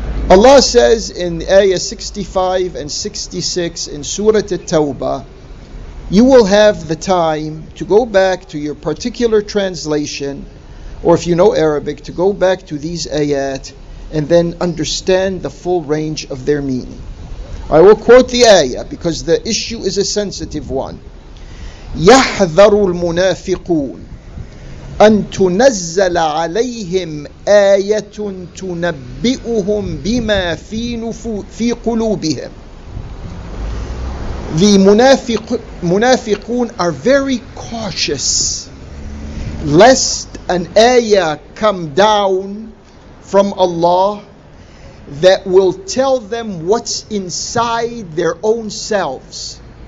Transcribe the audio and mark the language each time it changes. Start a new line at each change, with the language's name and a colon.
English: Allah says in ayah 65 and 66 in Surah At-Tawbah, you will have the time to go back to your particular translation, or if you know Arabic, to go back to these ayat and then understand the full range of their meaning. I will quote the ayah because the issue is a sensitive one.
Arabic: يَحْذَرُ الْمُنَافِقُونَ أن تنزل عليهم آية تنبئهم بما في في قلوبهم.
English: The munafiqun are very cautious lest an ayah come down from Allah that will tell them what's inside their own selves.